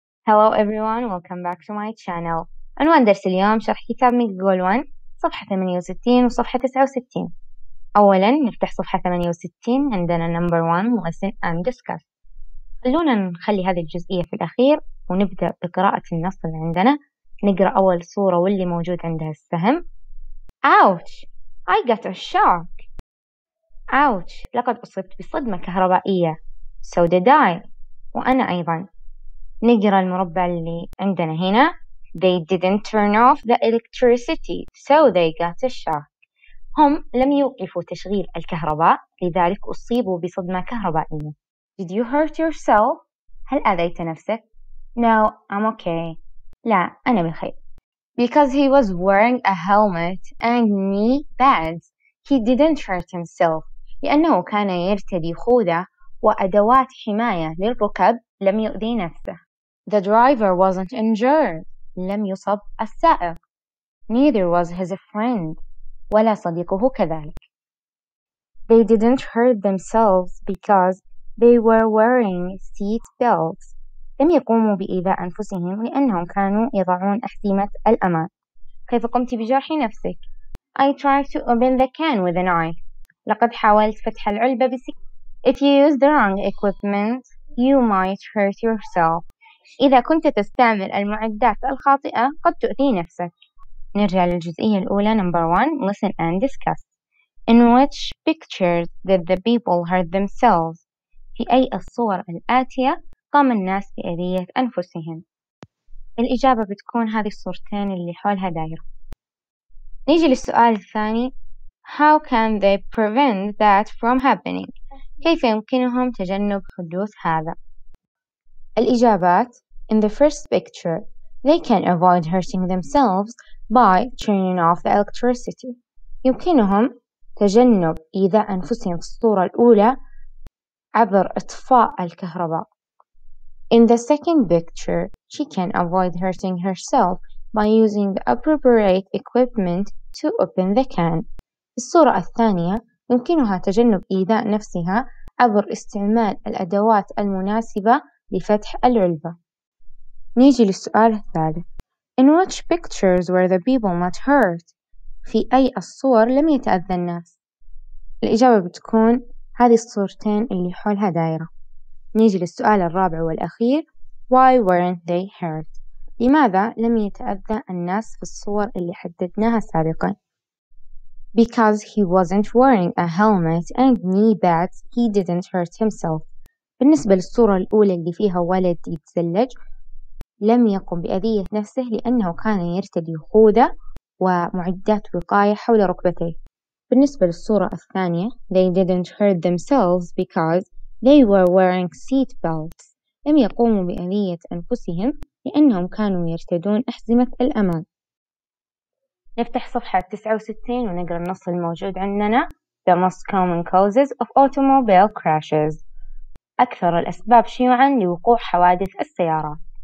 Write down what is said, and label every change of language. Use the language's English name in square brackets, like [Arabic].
[English] Hello everyone, welcome back to my channel. [Arabic] عنوان درس اليوم شرح كتاب ميجول 1 صفحة 68 وصفحة 69. أولا نفتح صفحة 68، عندنا [English] number 1 listen and discuss. [Arabic] خلونا نخلي هذه الجزئية في الأخير ونبدأ بقراءة النص اللي عندنا. نقرأ أول صورة واللي موجود عندها السهم. [English] Ouch! I got a shock. Ouch! [Arabic] لقد أصبت بصدمة كهربائية. [English] So did I. [Arabic] وأنا أيضا. نقرأ المربع اللي عندنا هنا. [English] They didn't turn off the electricity, so they got a shock. [Arabic] هم لم يوقفوا تشغيل الكهرباء، لذلك أصيبوا بصدمة كهربائية. [English] Did you hurt yourself? [Arabic] هل أذيت نفسك؟ [English] No, I'm okay. [Arabic] لا، أنا بخير. [English] Because he was wearing a helmet and knee pads, he didn't hurt himself. [Arabic] لأنه كان يرتدي خوذة وأدوات حماية للركب، لم يؤذي نفسه. [English] The driver wasn't injured. [Arabic] لم يصب السائق. [English] Neither was his friend. [Arabic] ولا صديقه كذلك. [English] They didn't hurt themselves because they were wearing seat belts. [Arabic] لم يقوموا بإيذاء أنفسهم لأنهم كانوا يضعون أحزمة الأمان. كيف قمت بجرح نفسك؟ [English] I tried to open the can with a knife. [Arabic] لقد حاولت فتح العلبة بسكين. [English] If you use the wrong equipment, you might hurt yourself. [Arabic] إذا كنت تستعمل المعدات الخاطئة قد تؤذي نفسك. نرجع للجزئية الأولى [English] number 1 listen and discuss. In which pictures did the people hurt themselves? [Arabic] في أي الصور الآتية قام الناس بأذية أنفسهم؟ الإجابة بتكون هذه الصورتين اللي حولها دائرة. نيجي للسؤال الثاني. [English] How can they prevent that from happening? [Arabic] كيف يمكنهم تجنب حدوث هذا؟ الإجابات: [English] In the first picture, they can avoid hurting themselves by turning off the electricity. [Arabic] يمكنهم تجنب إيذاء أنفسهم في الصورة الأولى عبر إطفاء الكهرباء. [English] In the second picture, she can avoid hurting herself by using the appropriate equipment to open the can. [Arabic] في الصورة الثانية، يمكنها تجنب إيذاء نفسها عبر استعمال الأدوات المناسبة لفتح العلبة. نيجي للسؤال الثالث. [English] In which pictures were the people not hurt? [Arabic] في أي الصور لم يتأذى الناس؟ الإجابة بتكون هذه الصورتين اللي حولها دائرة. نيجي للسؤال الرابع والأخير. [English] Why weren't they hurt? [Arabic] لماذا لم يتأذى الناس في الصور اللي حددناها سابقا؟ [English] Because he wasn't wearing a helmet and knee pads, he didn't hurt himself. [Arabic] بالنسبة للصورة الأولى اللي فيها ولد يتزلج، لم يقم بأذية نفسه لأنه كان يرتدي خوذة ومعدات وقاية حول ركبتيه. بالنسبة للصورة الثانية، [English] they didn't hurt themselves because they were wearing seat belts. [Arabic] لم يقوموا بأذية أنفسهم لأنهم كانوا يرتدون أحزمة الأمان. نفتح صفحة 69 ونقرأ النص الموجود عندنا. [English] The most common causes of automobile crashes. [Arabic] أكثر الأسباب شيوعاً لوقوع حوادث السيارات.